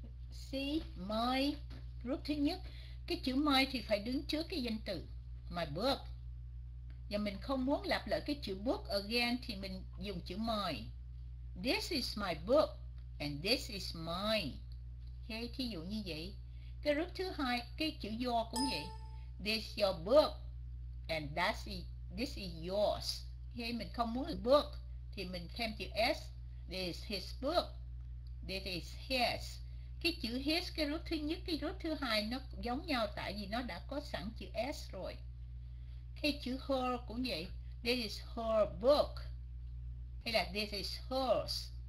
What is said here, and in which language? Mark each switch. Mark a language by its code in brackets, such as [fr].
[vi] See, my group thứ nhất, cái chữ my thì phải đứng trước cái danh từ my book, và mình không muốn lặp lại cái chữ book again thì mình dùng chữ my. [en] This is my book and this is mine. [vi] Okay, thí dụ như vậy. Cái group thứ hai, cái chữ your cũng vậy. [en] This is your book and this is yours. [vi] Okay, mình không muốn là book thì mình thêm chữ s. [en] This is his book. This is his. [vi] Cái chữ his, cái group thứ nhất, cái group thứ hai nó giống nhau tại vì nó đã có sẵn chữ s rồi. Cái chữ her cũng vậy. [en] This is her book. [vi] Hay là [en] this is hers.